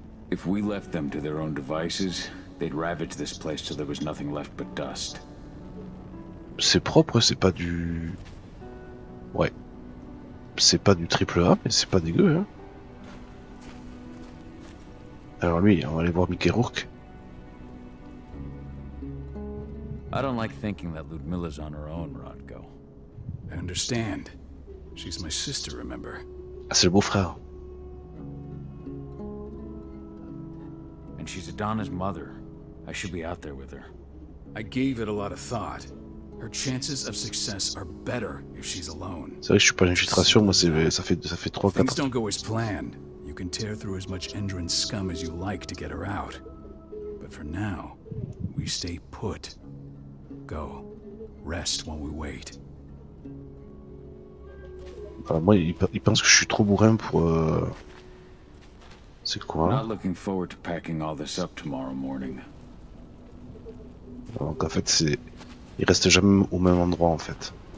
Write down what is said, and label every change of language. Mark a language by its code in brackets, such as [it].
[en] If we left them to their own devices, they'd ravage this place till there was nothing left but dust. [fr] C'est propre, c'est pas du... Ouais. C'est pas du triple A, mais c'est pas dégueu, hein. Alors lui, on va aller voir Mickey Rourke. [en] I don't like thinking that Ludmilla's on her own, Rotko. I understand. She's my sister, remember? [fr] Ah, c'est le beau-frère. [en] And she's Adana's mother. I should be out there with her. I gave it a lot of thought. Her chances of success are better if she's alone. [fr] C'est vrai que je suis pas l'infiltration, moi c'est, ça fait 3-4 ans. [en] Things don't go as planned. You can tear through as much Endrin scum as you like to get her out. But for now, we stay put. Go. Rest while we wait. [fr] Enfin, moi, il pense que je suis trop bourrin pour... C'est quoi? [en] Not looking forward to packing all this up tomorrow morning. [fr] Donc en fait, c'est... Il reste jamais au même endroit, en fait.